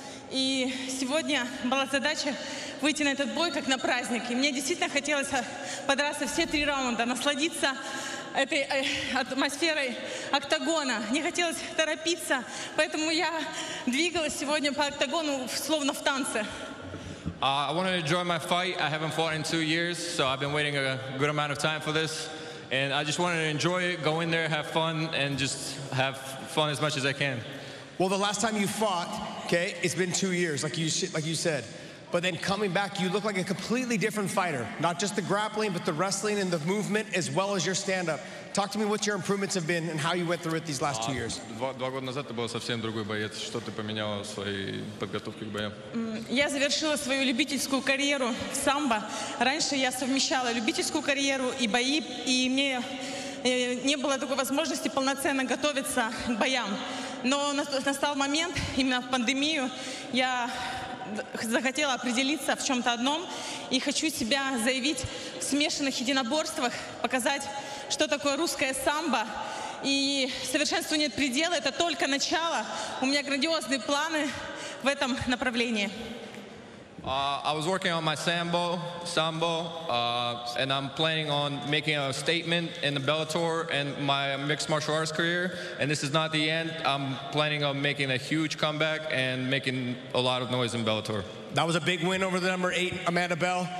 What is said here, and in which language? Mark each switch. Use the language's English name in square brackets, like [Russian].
[Russian] И сегодня была задача выйти на этот бой как на праздник. И мне действительно хотелось подраться все 3 раунда, насладиться этой атмосферой октагона. Не хотелось торопиться, поэтому я двигалась сегодня по октагону словно в танце. [English] I wanted to enjoy my fight. I haven't fought in 2 years, so I've been waiting a good amount of time for this. And I just wanted to enjoy it, go in there, have fun, and just have fun as much as I can. Well, the last time you fought, okay, it's been 2 years, like you said. But then coming back, you look like a completely different fighter. Not just the grappling, but the wrestling and the movement, as well as your stand-up. Talk to me what your improvements have been and how you went through it these last 2 years. [Russian] 2 года назад ты был совсем другой боец. Что ты поменяла в своей подготовке к бою? Я завершила свою любительскую карьеру в самбо. Раньше я совмещала любительскую карьеру и бои, и мне не было такой возможности полноценно готовиться к боям. Но настал момент, именно в пандемию, я захотела определиться в чем-то одном и хочу себя заявить в смешанных единоборствах, показать, что такое русское самбо. И совершенству нет предела, это только начало. У меня грандиозные планы в этом направлении. [English] I was working on my sambo, and I'm planning on making a statement in the Bellator and my mixed martial arts career. And this is not the end. I'm planning on making a huge comeback and making a lot of noise in Bellator. That was a big win over the number 8, Amanda Bell.